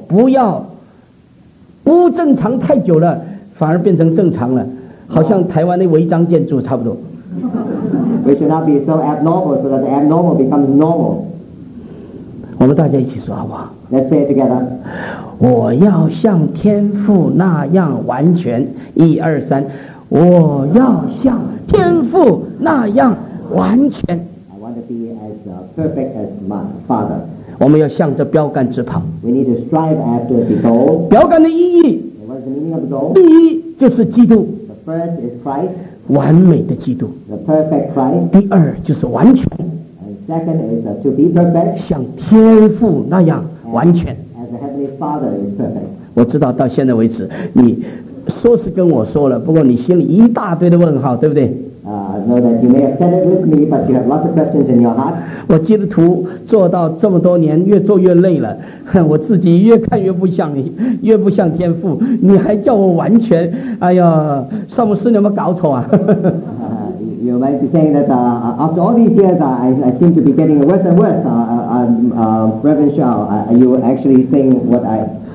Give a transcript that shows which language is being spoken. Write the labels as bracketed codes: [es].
[zh] 不要不正常太久了，反而变成正常了，好像台湾的违章建筑差不多。 [en] We should not be so abnormal so that the abnormal becomes normal. [zh] 我们大家一起说好不好？ [en] Let's say it together. [zh] 我要像天父那样完全，一二三，我要像天父那样完全。 [en] I want to be as perfect as my father. [zh] 我们要向着标杆直跑。 [en] We need to strive after the goal. [zh] 标杆的意义。 [en] What is the meaning of the goal? [zh] 第一就是基督。 [en] The first is Christ. [zh] 完美的基督。 [en] The perfect Christ. [zh] 第二就是完全。 [en] And second is to be perfect. [zh] 像天父那样。完全。 [en] As a heavenly father is perfect. [zh] 我知道到现在为止，你说是跟我说了，不过你心里一大堆的问号，对不对？ [en] know that you may have said it with me, but you have lots of questions in your heart. [zh] 我基督徒做到这么多年，越做越累了，我自己越看越不像，越不像天父。你还叫我完全，哎呀，萨姆斯，你有没有搞错啊？ [en] You might be saying that after all these years, I seem to be getting worse and worse. Reverend Shaw, are you actually saying what I?